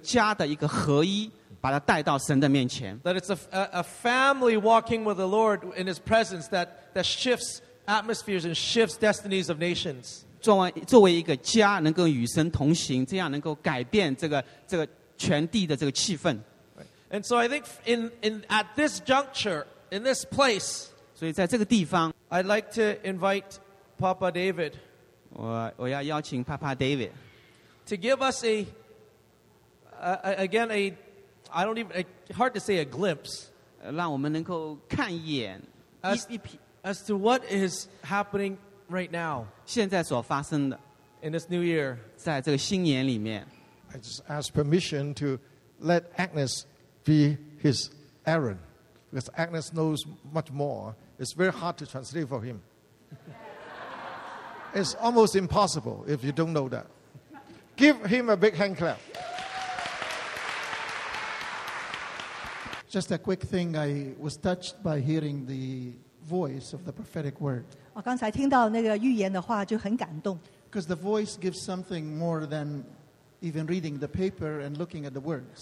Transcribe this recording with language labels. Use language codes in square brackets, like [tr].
[zh] 所以其中关键的一点就是这个家的一个合一，把它带到神的面前。 [en] That it's a family walking with the Lord in His presence that shifts atmospheres and shifts destinies of nations. [zh] 作为一个家能够与神同行，这样能够改变这个全地的这个气氛。 [en] And so I think in at this juncture, in this place, [zh] 所以在这个地方, [en] I'd like to invite Papa David, [zh] 我要邀请Papa David [en] to give us a glimpse [zh] 让我们能够看一眼， [en] as to what is happening right now [zh] 现在所发生的, [en] in this new year. I just ask permission to let Agnes be his errand, because Agnes knows much more. It's very hard to translate for him. It's almost impossible if you don't know that. Give him a big hand clap. Just a quick thing, I was touched by hearing the voice of the prophetic word. [zh] 我刚才听到那个预言的话就很感动。 [en] Because the voice gives something more than even reading the paper and looking at the words.